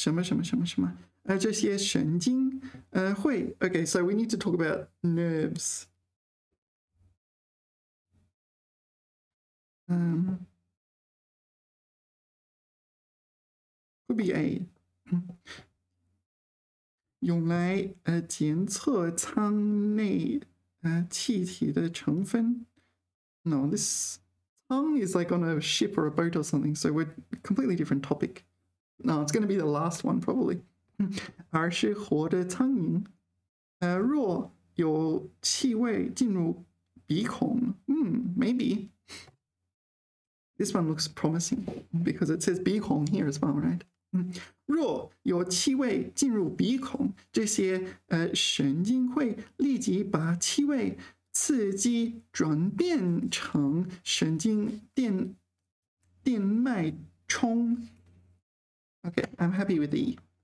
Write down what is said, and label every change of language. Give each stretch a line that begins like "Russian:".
Chinese: 什么什么什么什么？这些神经会
English: Okay, so we need to talk about nerves. Could be A.
Chinese: 用来检测舱内气体的成分。
English: No, this tongue is like on a ship or a boat or something, so we're completely different topic. No, it's going to be the last one probably.
Chinese: 而是活的苍蝇若有气味进入鼻孔。
English: Maybe this one looks promising because it says 鼻孔 here as well, right?
Chinese: 若有气味进入鼻孔，这些神经会立即把气味刺激转变成神经电脉冲。
English: Okay, I'm happy with the E.